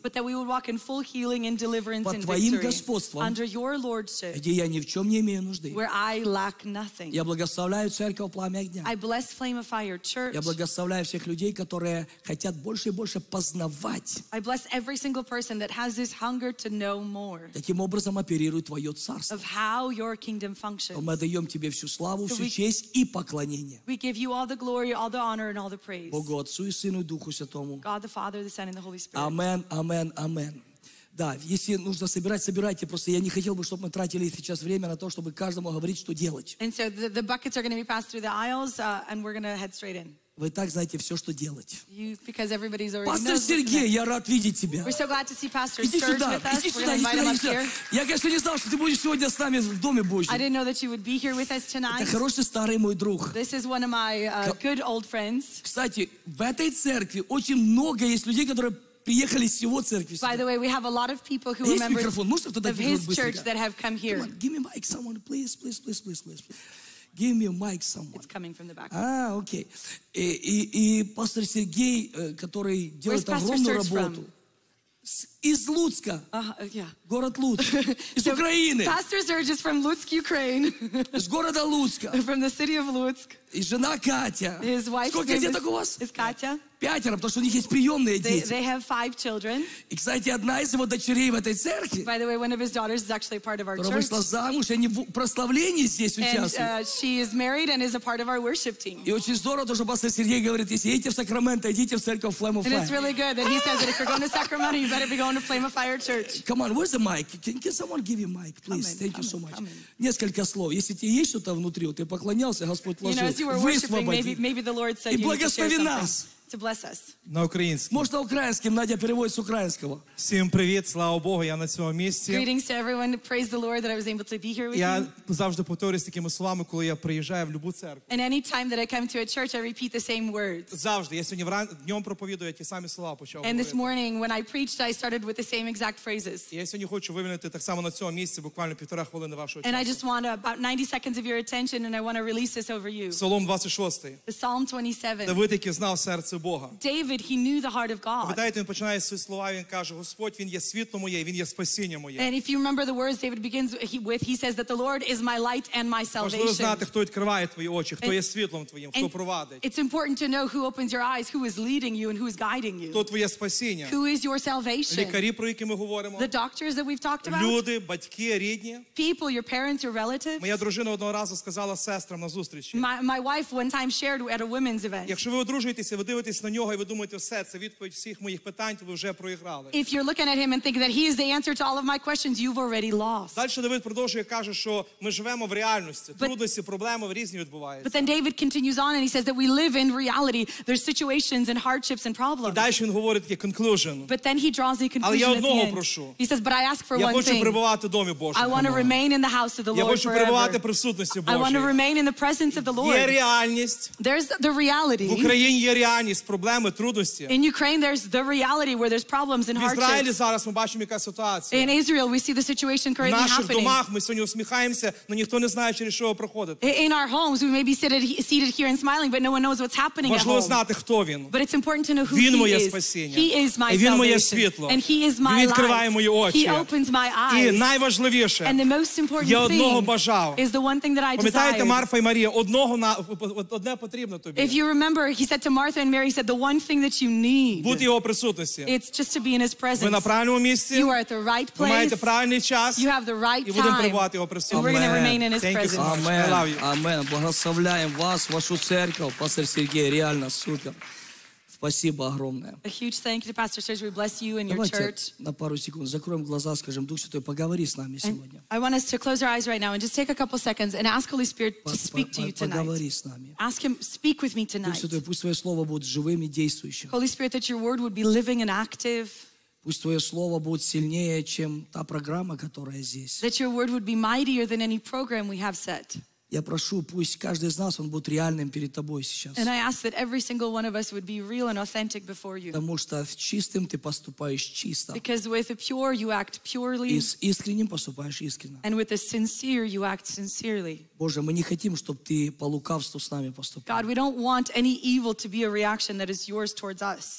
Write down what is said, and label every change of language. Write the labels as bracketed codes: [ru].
[en] But that we would walk in full healing and deliverance and victory. [ru] Под твоим господством. [en] Under your lordship. [ru] Где я ни в чем не имею нужды. [en] Where I lack nothing. [ru] Я благословляю церковь пламя огня. [en] I bless Flame of Fire Church. [ru] Я благословляю всех людей, которые хотят больше и больше познавать. [en] I bless every single person that has this hunger to know more. [ru] Таким образом оперирует твое царство. [en] Of how your kingdom functions. [ru] Мы даем тебе всю славу, всю честь и поклонение. [en] We give you all the glory, all the honor, and all the praise. [ru] Богу Отцу и Сыну и Духу Святому. [en] God the Father, the Son, and the Holy Spirit. Amen, amen, amen. [ru] Да, если нужно собирать, собирайте. Просто я не хотел бы, чтобы мы тратили сейчас время на то, чтобы каждому говорить, что делать. [en] And so the buckets are going to be passed through the aisles, and we're going to head straight in. [ru] Вы так знаете все, что делать. [en] You, because everybody's already [ru] Пастор [en] knows [ru] Сергей, я рад видеть тебя. [en] We're so glad to see Pastor [ru] иди [en] Serge [ru] сюда, [en] with us. [ru] Иди сюда, иди сюда, иди сюда. Я, конечно, не знал, что ты будешь сегодня с нами в Доме Божьем. [en] I didn't know that you would be here with us tonight. [ru] Это хороший старый мой друг. [en] This is one of my good old friends. [ru] Кстати, в этой церкви очень много есть людей, которые приехали из всего церкви. [en] By the way, we have a lot of people who [ru] есть [en] remember [ru] микрофон? [en] Of his church that have come here. Come on, give me mic someone, please, please, please, please, please. Give me a mic someone. It's coming from the back. Okay. [ru] И пастор Сергей, который делает [en] Where's [ru] огромную [en] Pastor [ru] работу. [en] From? [ru] Из Луцка. [en] Yeah. [ru] Город Луцк. Из [en] so [ru] Украины. [en] Pastor Serge is from Lutsk, Ukraine. [ru] Из города Луцка. [en] From the city of Lutsk. [ru] И жена Катя. [en] His wife [ru] Сколько деток у вас? [en] Is Katya. [ru] Пятеро, потому что у них есть приемные дети. [en] They have five children. [ru] И, кстати, одна из его дочерей в этой церкви. [en] By the way, one of his daughters is actually part of our church. [ru] Вышла замуж, и они в прославлении здесь участвуют. [en] And she is married and is a part of our worship team. [ru] И очень здорово, что пастор Сергей говорит, если едете в Сакраменто, идите в церковь Flame of Fire. [en] And it's really good that he says that if you're going to Sacramento, you better be going to Flame of Fire Church. Come on, where's the mic? Can someone give you mic, please? In, Thank you in, so much. [ru] Несколько слов. Если тебе есть что-то внутри, ты поклонялся, Господь вложил. [en] You know, as you were worshiping, maybe the Lord said you need to share something. To bless us. [uk] На українському. Можна українським, Надя переводить з українського. Всім привіт, слава Богу, я на цьому місці. [en] Greetings to everyone, praise the Lord that I was able to be here with [uk] я [en] you. [uk] Я завжди повторюсь такими словами, коли я приїжджаю в любу церкву. [en] And any time that I come to a church, I repeat the same words. [uk] Завжди, я сьогодні днем проповідую, я ті самі слова почав [en] And this morning, when I preached, I started with the same exact phrases. [uk] Я сьогодні хочу вивільнити так само на цьому місці, буквально півтора хвилини вашого [en] And [uk] часу. [en] And I just want about 90 seconds of your attention, and I want to release this over you. [uk] Псалом 26. [en] Psalm 27. [uk] Давид, який знав серце Бога. [en] David, he knew the heart of God. [uk] Пам'ятаєте, він починає свої слова, він каже: "Господь, він є світло моє, він є спасіння моє". [en] And if you remember the words David begins with, he says that the Lord is my light and my salvation. [uk] Важливо знати, хто відкриває твої очі, хто є світлом твоїм, хто провадить. [en] It's important to know who opens your eyes, who is leading you and who is guiding you. [uk] Хто твоє спасіння? [en] Who is your salvation? [uk] Лікарі, про які ми говоримо. [en] The doctors that we've talked about. [uk] Люди, батьки, рідні. [en] People, your parents, your relatives. [uk] Моя дружина одного разу сказала сестрам на зустрічі. [en] My wife one time shared at a women's event. [uk] Якщо ви одружуєтеся, ви дивитесь на нього і ви думаєте, все, це відповідь всіх моїх питань, то ви вже програли. [en] If you're looking at him and think that he is the answer to all of my questions, you've already lost. [uk] Далі Давид продовжує, каже, що ми живемо в реальності. Трудності, проблеми різні відбуваються. [en] But then David continues on and he says that we live in reality. There's situations and hardships and problems. [uk] І далі він говорить таке conclusion. [en] But then he draws the conclusion. [uk] Але я одного прошу. [en] He says, but I ask for one thing. [uk] Я хочу перебувати в домі Божому. [en] I want to remain in the house of the Lord. [uk] Я хочу перебувати в присутності Божій. [en] I want to remain in the presence of the Lord. [uk] Є реальність. [en] There's the reality. [uk] В Україні є реальність, проблеми, трудності. [en] In Ukraine there's the reality where there's problems and hardships. [uk] В Ізраїлі зараз ми бачимо, яка ситуація. [en] In Israel we see the situation currently happening. [uk] В наших домах ми сьогодні усміхаємося, але ніхто не знає, через що проходити. [en] In our homes we may be seated here and smiling, but no one knows what's happening at home. [uk] Важливо знати, хто він. [en] But it's important to know who [uk] він [en] he [uk] моє [en] is. [uk] Спасіння. [en] He is my [uk] він [en] salvation. [uk] Моє світло. [en] And he is my [uk] він відкриває мої очі. [en] He opens my eyes. [uk] І найважливіше. [en] And the most important [uk] я одного бажав. [en] Is the one thing that I desire. [uk] Пам'ятаєте, Марфа і Марія, одного на одне потрібно тобі. [en] If you remember, he said to Martha and Mary, he said the one thing that you need. [uk] Бути його присутності. [en] It's just to be in his presence. [uk] Ви на правильному місці. [en] You are at the right place. [uk] Ви маєте правильний час. [en] You have the right time. [uk] І будемо перебувати його присутності. [en] We're going to remain in his presence. [uk] Амен. Благословляємо вас, вашу церкву, пастор Сергій, реально супер. [ru] Спасибо огромное. [en] A huge thank you to Pastor Serge. We bless you and your [ru] Давайте [en] church. [ru] На пару секунд закроем глаза, скажем, Дух Святой, поговори с нами сегодня. [en] And I want us to close our eyes right now and just take a couple seconds and ask Holy Spirit to speak to you tonight. [ru] Поговори с нами. [en] Ask him, speak with me tonight. [ru] Дух Святой, пусть твое слово будет живым и действующим. [en] Holy Spirit, that your word would be living and active. [ru] Пусть твое слово будет сильнее, чем та программа, которая здесь. [en] That your word would be mightier than any program we have set. [ru] Я прошу, пусть каждый из нас, он будет реальным перед тобой сейчас. [en] And I ask that every single one of us would be real and authentic before you. [ru] Потому что с чистым ты поступаешь чисто. [en] Because with a pure you act purely. [ru] И с искренним поступаешь искренно. [en] And with a sincere you act sincerely. [ru] Боже, мы не хотим, чтобы ты по лукавству с нами поступал. [en] God, we don't want any evil to be a reaction that is yours towards us.